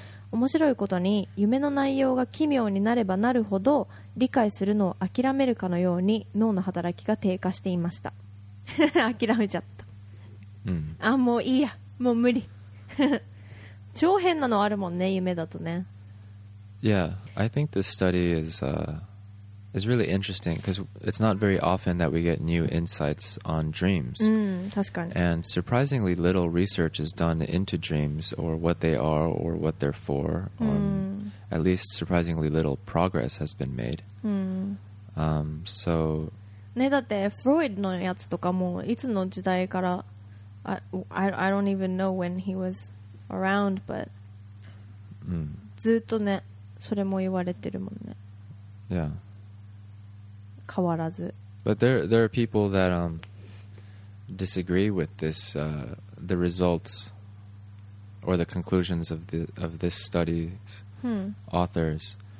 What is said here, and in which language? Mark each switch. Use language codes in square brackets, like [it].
[ja] 面白いことに夢の内容が奇妙になればなるほど理解するのを諦めるかのように脳の働きが低下していました。諦めちゃった、うん、あもういいやもう無理。超変なのあるもんね夢だとね。 [en] Yeah, I think this study is really interesting because it's not very often that we get new insights on dreams. And surprisingly little research is done into dreams or what they are or what they're for. At least surprisingly little progress has been made. So... [ja] ね、だってフロイドのやつとかもいつの時代から [en] I don't even know when he was around, but... [ja] ずっとね、それも言われてるもんね。 [en] Yeah. [ja] 変わらず。 [en] But there are people that disagree with this the results or the conclusions of this study's authors.